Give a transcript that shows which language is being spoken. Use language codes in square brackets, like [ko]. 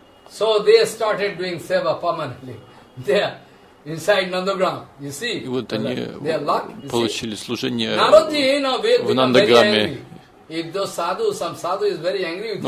[en] So they started doing seva permanently there inside Nandagram. You see? [ru] И вот они получили служение в Нандаграме. [en] If those sadhus, some sadhu is very angry with you.